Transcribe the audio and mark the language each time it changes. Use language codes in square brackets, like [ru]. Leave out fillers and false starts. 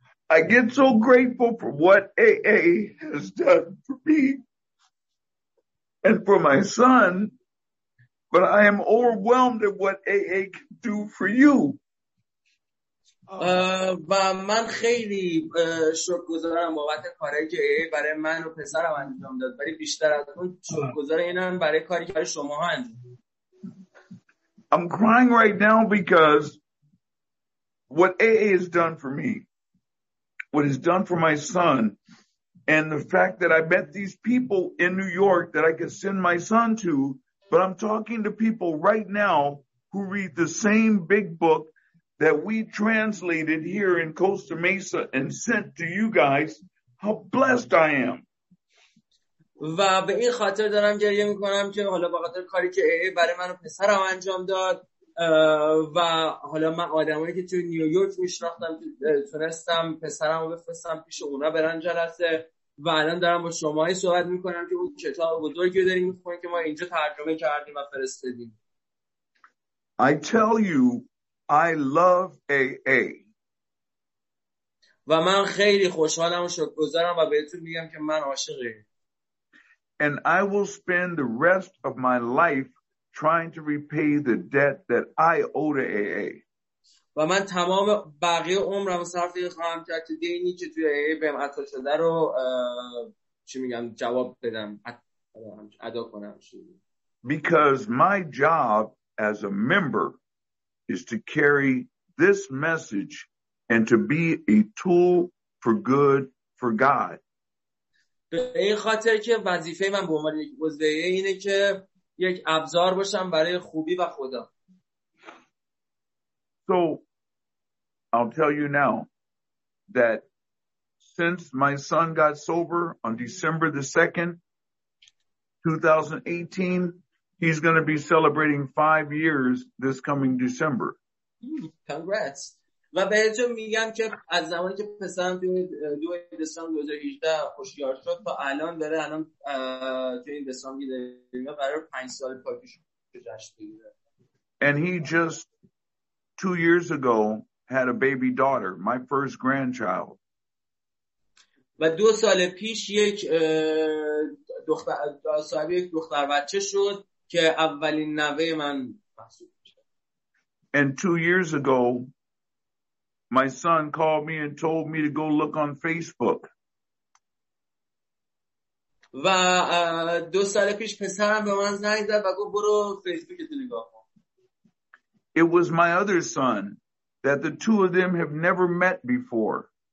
[en] I get so grateful for what AA has done for me and for my son, but I am overwhelmed at what AA can do for you. [fa] و من خیلی شکرگزارم بابت کاری که AA برای من و پسرم انجام داد، ولی بیشتر از اون شکرگزار اینم برای کاری که شما انجام دادید. [en] I'm crying right now because what AA has done for me, what has done for my son, and the fact that I met these people in New York that I could send my son to, but I'm talking to people right now who read the same big book that we translated here in Costa Mesa and sent to you guys. How blessed I am. [fa] و به این خاطر دارم گریه میکنم که حالا به خاطر کاری که AA برای من و پسرم انجام داد و حالا من آدمایی که تو نیویورک میشناختم تونستم پسرم رو بفرستم پیش اونا برن جلسه و الان دارم با شماهایی صحبت میکنم که اون کتاب بزرگی رو داریم میخونیم که ما اینجا ترجمه کردیم و فرستادیم. [en] I tell you, I love AA. [fa] و من خیلی خوشحالم و شکرگزارم و بهتون میگم که من عاشق AA. [en] And I will spend the rest of my life trying to repay the debt that I owe to AA. [fa] و من تمام بقیه عمرم صرف خواهم کرد که دینی که توی AA بهم عطا شده رو چی میگم جواب بدم ادا کنم. [en] Because my job as a member is to carry this message and to be a tool for good for God. [fa] به این خاطر که وظیفه من به عنوان یک عضو AA اینه که یک ابزار باشم برای خوبی و خدا. [en] So I'll tell you now that since my son got sober on December the 2nd, 2018, he's going to be celebrating 5 years this coming December. Congrats. [fa] و بهتون میگم که از زمانی که پسرم توی 2 دسامبر 2018 هوشیار شد تا الان داره الان توی این دسامبر میگه قرار 5 سال پاکیش جشن بگیره. [en] And he just 2 years ago had a baby daughter, my first grandchild. [fa] و 2 سال پیش یک دختر صاحب یک دختر بچه شد که اولین نوه من محسوب میشه. [en] And 2 years ago my son called me and told me to go look on Facebook. [fa] و 2 سال پیش پسرم به من زنگ زد و گفت برو فیسبوک تو نگاه کن. [en] It was my other son that the two of them have never met before.